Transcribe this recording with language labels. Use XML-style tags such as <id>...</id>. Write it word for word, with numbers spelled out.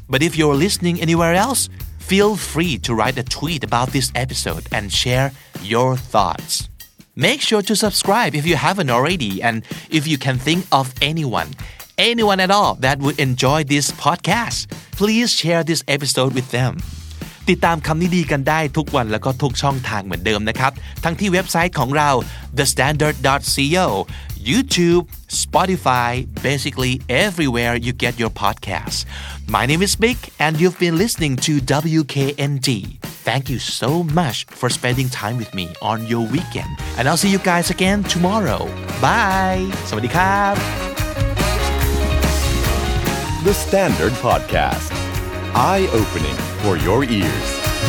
<en>But if you're listening anywhere else, feel free to write a tweet about this episode and share your thoughts. Make sure to subscribe if you haven't already, and if you can think of anyone, anyone at all that would enjoy this podcast, please share this episode with them.</en> <th>ติดตามคำนี้ดีกันได้ทุกวันแล้วก็ทุกช่องทางเหมือนเดิมนะครับทั้งที่เว็บไซต์ของเรา</th> <en>the standard dot co, YouTube, Spotify, basically everywhere you get your podcasts. My name is Mick, and you've been listening to ดับเบิลยู เค เอ็น จี. Thank you so much for spending time with me on your weekend. And I'll see you guys again tomorrow. Bye.</en> <th>สวัสดีครับ</th> <en>The Standard Podcast. Eye-opening for your ears.</en>